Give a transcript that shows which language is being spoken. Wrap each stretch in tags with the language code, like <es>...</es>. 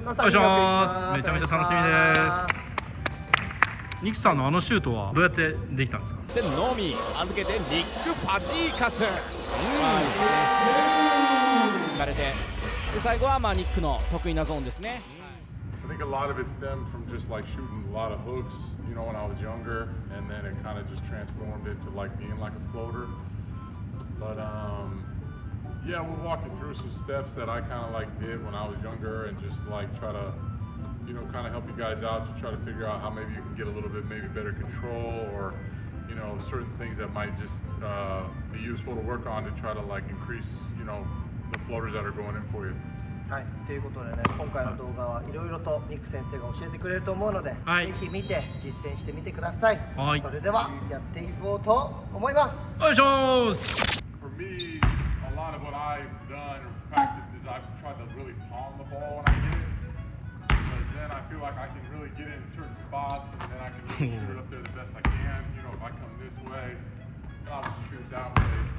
<ja>お願いします。めちゃめちゃ楽しみです。ニクさんのあのシュートはどうやってできたんですか。でのみ預けてニック・ファジーカス、はい、で最後はまあニックの得意なゾーンですね。</ja> <en>I think a lot of it stemmed from just like shooting a lot of hooks, you know, when I was younger, and then it kind of just transformed into like being like a floater. But yeah, we'll walk you through some steps that I kind of like did when I was younger and just like try to, you know, kind of help you guys out to try to figure out how maybe you can get a little bit maybe better control or, you know, certain things that might just be useful to work on to try to like increase, you know, the floaters that are going in for you.</en> <ja>はい、ということでね、今回の動画はいろいろとニック先生が教えてくれると思うので、はい、ぜひ見て実践してみてください。はい、それではやっていこうと思います。お願いします。</ja> <en>For me, a lot of what I've done or practiced is I've tried to really palm the ball when I get it. Because then I feel like I can really get it in certain spots and then I can really shoot it up there the best I can. You know, if I come this way, then I'll just shoot it that way.</en>